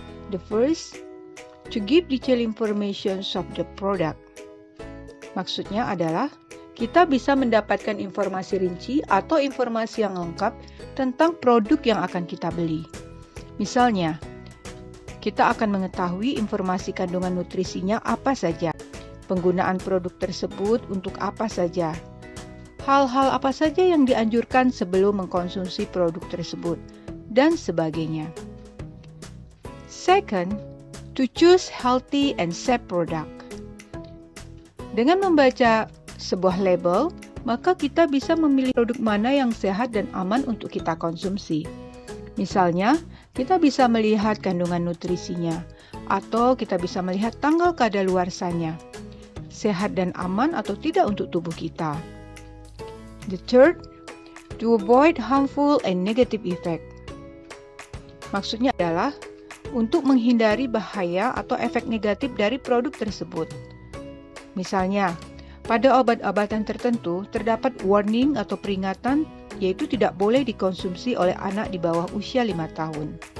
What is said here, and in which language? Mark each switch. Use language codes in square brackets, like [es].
[en] The first, to give detailed information of the product. [id] Maksudnya adalah, kita bisa mendapatkan informasi rinci atau informasi yang lengkap tentang produk yang akan kita beli. Misalnya, kita akan mengetahui informasi kandungan nutrisinya apa saja, penggunaan produk tersebut untuk apa saja, hal-hal apa saja yang dianjurkan sebelum mengkonsumsi produk tersebut, dan sebagainya. [en] Second, to choose healthy and safe product. [id] Dengan membaca sebuah label, maka kita bisa memilih produk mana yang sehat dan aman untuk kita konsumsi. Misalnya, kita bisa melihat kandungan nutrisinya, atau kita bisa melihat tanggal kadaluarsanya, sehat dan aman atau tidak untuk tubuh kita. [en] The third, to avoid harmful and negative effect. [id] Maksudnya adalah, untuk menghindari bahaya atau efek negatif dari produk tersebut. Misalnya, pada obat-obatan tertentu terdapat warning atau peringatan yaitu tidak boleh dikonsumsi oleh anak di bawah usia 5 tahun.